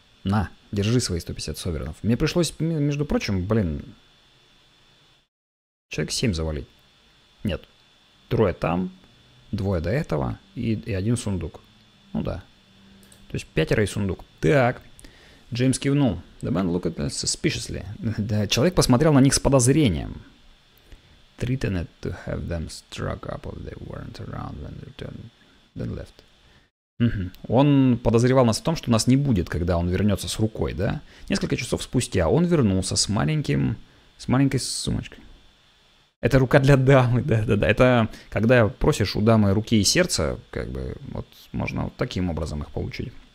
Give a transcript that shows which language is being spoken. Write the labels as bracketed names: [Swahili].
[Russian] На, держи свои 150 соверенов. Мне пришлось, между прочим, блин, человек 7 завалить. Нет. Трое там, двое до этого и один сундук. Ну да. То есть пятеро и сундук. Так. Джеймс кивнул. [English] The man looked at them suspiciously. [Russian] Да, человек посмотрел на них с подозрением. [English] Threatened to have them struck up if they weren't around when they returned. Then left. [Russian] Он подозревал нас в том, что нас не будет, когда он вернется с рукой, да? Несколько часов спустя он вернулся с маленьким... с маленькой сумочкой. Это рука для дамы, да-да-да. Это когда просишь у дамы руки и сердце, как бы, вот можно вот таким образом их получить.